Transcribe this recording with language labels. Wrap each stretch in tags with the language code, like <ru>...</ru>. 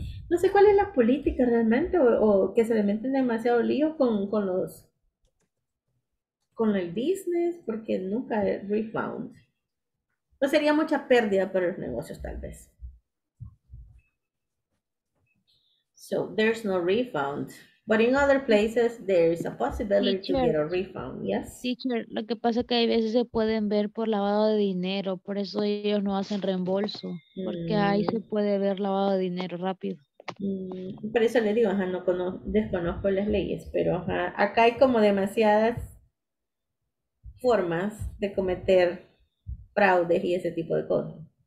<es>No sé cuál es la política realmente o que se le meten demasiado lío con el business porque nunca es refund. No sería mucha pérdida para los negocios, tal vez.</es> <en>So, there's no refund. But in other places, there is a possibility teacher, to get a refund, yes?</en> <es>Teacher, lo que pasa es que hay veces se pueden ver por lavado de dinero. Por eso ellos no hacen reembolso. Porque ahí se puede ver lavado de dinero rápido. Por eso les digo, ajá, no desconozco las leyes. Pero ajá, acá hay como demasiadas formas de cometer fraudes y ese tipo de cosas.</es>